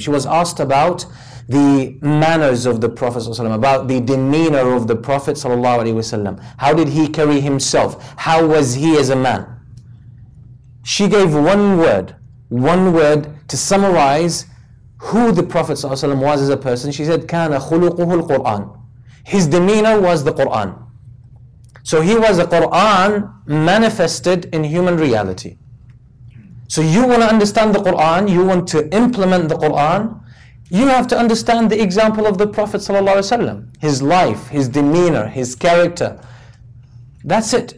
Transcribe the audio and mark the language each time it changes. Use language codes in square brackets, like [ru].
[en] She was asked about the manners of the Prophet ﷺ, about the demeanor of the Prophet ﷺ. How did he carry himself? How was he as a man? She gave one word to summarize who the Prophet ﷺ was as a person. She said, [ar] كان خلقه القرآن. [en] His demeanor was the Qur'an. So he was a Qur'an manifested in human reality. So you want to understand the Qur'an, you want to implement the Qur'an, you have to understand the example of the Prophet ﷺ. His life, his demeanor, his character. That's it.